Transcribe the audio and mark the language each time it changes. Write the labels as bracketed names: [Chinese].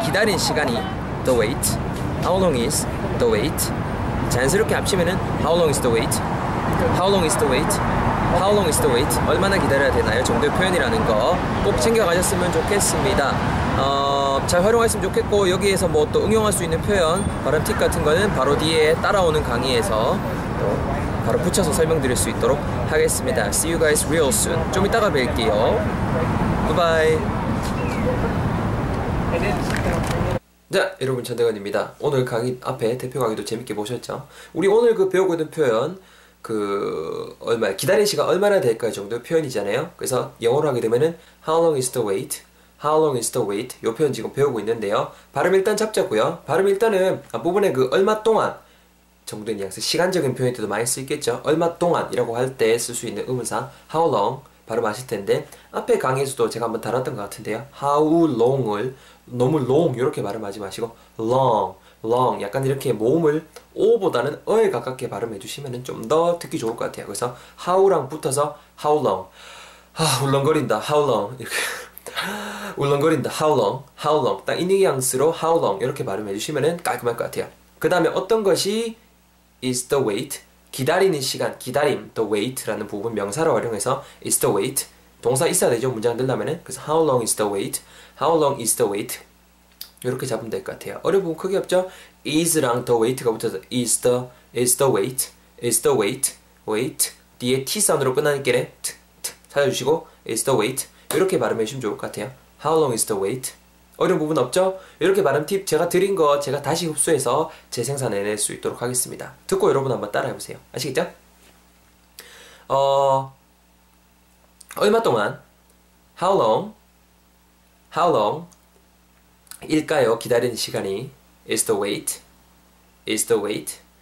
[Korean] 기다린 시간이 [English] the wait. How long is the wait. 자연스럽게 합치면은 How long is the wait. How long is the wait. How long is the wait. [Korean] 얼마나 기다려야 되나요? 정도의 표현이라는 거 꼭 챙겨 가셨으면 좋겠습니다. 잘 활용했으면 좋겠고 여기에서 뭐 또 응용할 수 있는 표현 발음 팁 같은 거는 바로 뒤에 따라오는 강의에서 또 바로 붙여서 설명드릴 수 있도록 하겠습니다. [English] See you guys real soon. [Korean] 좀 이따가 뵐게요. [English] Goodbye. [Korean] 자 여러분 전대건입니다. 오늘 강의 앞에 대표 강의도 재밌게 보셨죠? 우리 오늘 그 배우고 있는 표현 그 얼마 기다린 시간 얼마나 될까 정도의 표현이잖아요. 그래서 영어로 하게 되면은 [English] How long is the wait? How long is the wait? [Korean] 요 표현 지금 배우고 있는데요. 발음 일단 잡자고요. 발음 일단은 앞부분에 그 얼마 동안 정도의 뉘앙스, 시간적인 표현에도 많이 쓰이겠죠. 얼마 동안이라고 할때쓸수 있는 의문사 how long 발음하실 텐데, 앞에 강의에서도 제가 한번 다뤘던 것 같은데요. how long을 너무 long 이렇게 발음하지 마시고 long, long 약간 이렇게 모음을 o보다는 어에 가깝게 발음해 주시면 좀더 듣기 좋을 것 같아요. 그래서 how랑 붙어서 how long, 아 울렁거린다 how long 이렇게 울렁거린다 [English] how long, how long [Korean] 딱이 뉘앙스로 how long 이렇게 발음해 주시면 깔끔할 것 같아요. 그 다음에 어떤 것이 [English] is the wait, [Korean] 기다리는 시간, 기다림, the wait라는 부분 명사로 활용해서 is the wait, 동사 있어야 되죠, 문장 들려면은. 그래서 [English] how long is the wait, [Korean] how long is the wait 이렇게 잡으면 될것 같아요. 어려운 부분 크게 없죠? is랑 the wait가 붙어서 [English] is the wait, [Korean] is the wait, wait 뒤에 t 사운드로 끝나는 길에 t 찾아주시고 is the wait 이렇게 발음해 주시면 좋을 것 같아요. [English] how long is the wait. 어려운 부분 없죠? [Korean] 이렇게 발음 팁 제가 드린 거 제가 다시 흡수해서 재생산해 낼수 있도록 하겠습니다. 듣고 여러분 한번 따라해 보세요. 아시겠죠? 얼마 동안? [English] How long? How long? [Korean] 일까요? 기다리는 시간이. [English] Is the wait? Is the wait?